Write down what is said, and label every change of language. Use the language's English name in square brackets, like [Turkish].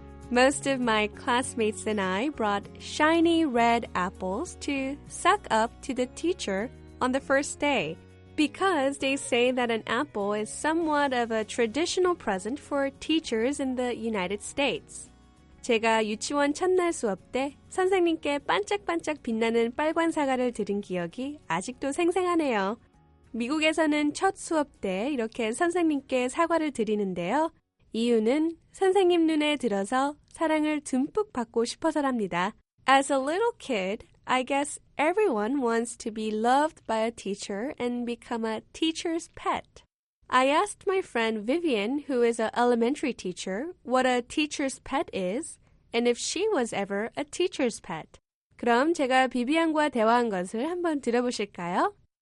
[English] Most of my classmates and I brought shiny red apples to suck up to the teacher on the first day, because they say that an apple is somewhat of a traditional present for teachers in the United States. [Korean] 제가 유치원 첫날 수업 때 선생님께 반짝반짝 빛나는 빨간 사과를 드린 기억이 아직도 생생하네요. 미국에서는 첫 수업 때 이렇게 선생님께 사과를 드리는데요. 이유는 선생님 눈에 들어서 사랑을 듬뿍 받고 싶어서랍니다. [English] As a little kid, I guess everyone wants to be loved by a teacher and become a teacher's pet. I asked my friend Vivian, who is an elementary teacher, what a teacher's pet is and if she was ever a teacher's pet. [Korean] 그럼 제가 비비안과 대화한 것을 한번 들어보실까요?